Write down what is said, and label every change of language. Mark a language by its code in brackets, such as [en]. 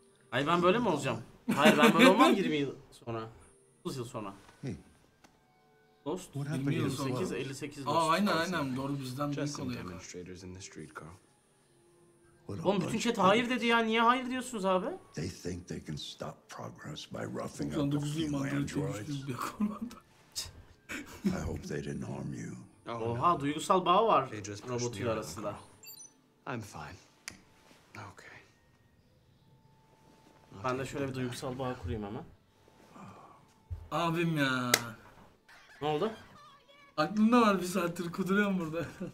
[tr] Hayır ben böyle mi olacağım? Hayır ben böyle olmam 20 yıl sonra. 30 yıl sonra. Dost 28 58 dost. Aa aynen aynen doğru, bizden büyük oluyor. [en] Street, [tr] oğlum bütün chat hayır dedi ya, niye hayır diyorsunuz abi? [en] They think they can stop progress by roughing up the few androids. I hope they didn't harm you. [tr] Oha, duygusal bağ var robotu arasında. [en] I'm fine. Okay. [tr] Ben de şöyle bir duygusal bağ kurayım hemen. Abim ya. Ne oldu? Aklımda var bir saattir, kuduruyorum burada.